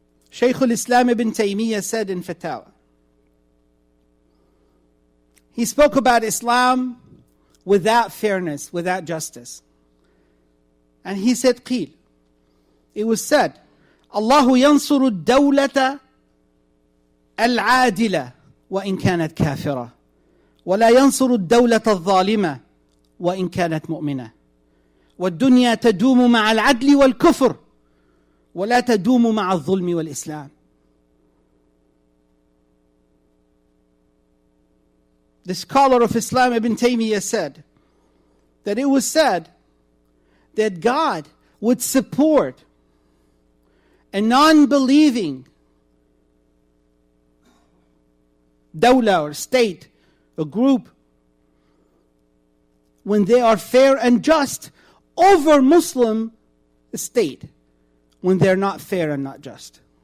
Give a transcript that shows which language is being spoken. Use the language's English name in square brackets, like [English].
[English] Shaykh al-Islam ibn Taymiyyah said in Fatawa, he spoke about Islam without fairness, without justice. And he said, [Arabic] قيل, [English] it was said, [Arabic] الله ينصر الدولة العادلة وإن كانت كافرة ولا ينصر الدولة الظالمة وإن كانت مؤمنة والدنيا تدوم مع العدل والكفر ولا تدوم مع الظلم والإسلام. [English] The scholar of Islam Ibn Taymiyyah said that it was said that God would support a non-believing dawla or state, a group, when they are fair and just, over Muslim state when they're not fair and not just.